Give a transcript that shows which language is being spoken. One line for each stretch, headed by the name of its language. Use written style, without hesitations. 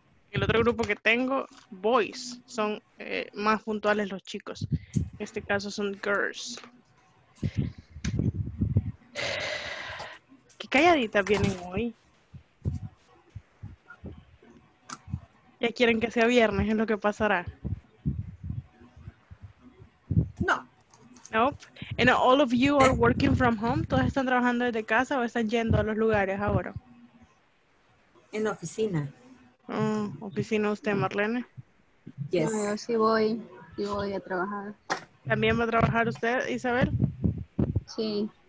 Spanish: El otro grupo que tengo, boys, son más puntuales los chicos. En este caso son girls. Qué calladitas vienen hoy. Ya quieren que sea viernes, es lo que pasará. No.
English: Nope. And all of you are working from home.
Spanish: ¿Todos están trabajando desde casa o están yendo a los lugares ahora? En la oficina. Oficina usted, Marlene. Yes. No, yo sí voy a trabajar. ¿También va a trabajar usted, Isabel? Sí.